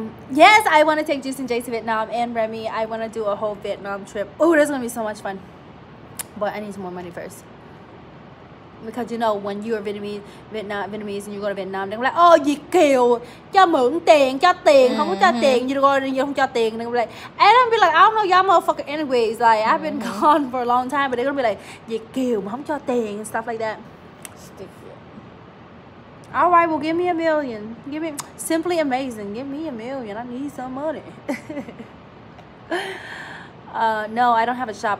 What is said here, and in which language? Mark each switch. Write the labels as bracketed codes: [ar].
[en] Yes, I want to take Juice and Jay to Vietnam and Remy. I want to do a whole Vietnam trip. Oh, that's gonna be so much fun. But I need some more money first. Because, you know, when you're Vietnamese and you go to Vietnam, they're like, oh, you kill. [vi] Cho mượn tiền, cho tiền, không cho tiền. [en] You go and you don't [vi] cho tiền. [en] And they're like, and I'm be like, I don't know y'all motherfucker anyways. Like, I've been gone for a long time, but they're gonna be like, you kill, [vi] mà không cho tiền, [en] and stuff like that. Stick it. All right, well, give me a million. Give me, simply amazing. Give me a million. I need some money. No, I don't have a shop.